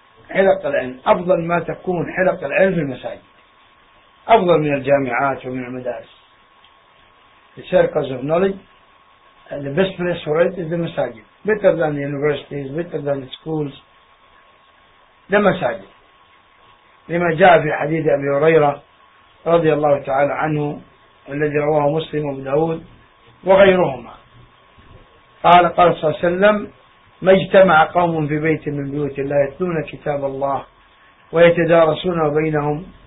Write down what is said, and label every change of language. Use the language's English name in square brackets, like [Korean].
[Arabic] حلق العلم أفضل ما تكون حلق العلم في المساجد أفضل من الجامعات ومن المدارس. [English] The circles of knowledge, the best place for it is the masajid, better than the universities, better than the schools, the masajid. [Arabic] لما جاء في حديث أبي هريرة رضي الله تعالى عنه الذي رواه مسلم وابن داود وغيرهما قال صلى الله عليه وسلم ما اجتمع قوم في بيت من بيوت الله يتلون كتاب الله ويتدارسونه بينهم